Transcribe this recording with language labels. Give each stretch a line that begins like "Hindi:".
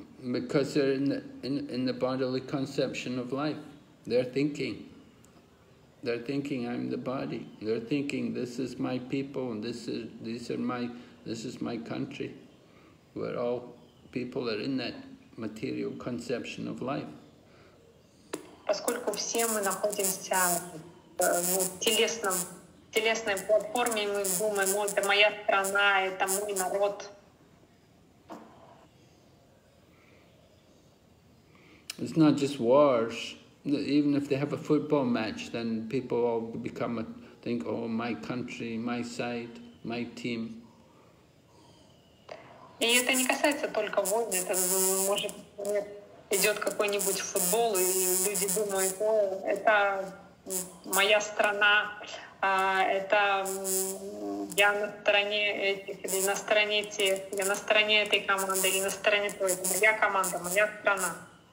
English: Because they're in the bodily conception of life. They're thinking I'm the body. They're thinking this is my people and this is my country. We're all people that are in that material conception of life.
Russian: Поскольку все мы находимся в телесной платформе, мы думаем, это моя страна, это мой народ.
English: It's not just wars. Even if they have a football match, then people all think, oh, my country, my side, my team.
Russian: И это не касается только войны, это может идет какой-нибудь футбол, и люди думают, о, это моя страна, это я на стороне этих, или на стороне тех, я на стороне этой команды, или на стороне той, моя команда, моя страна.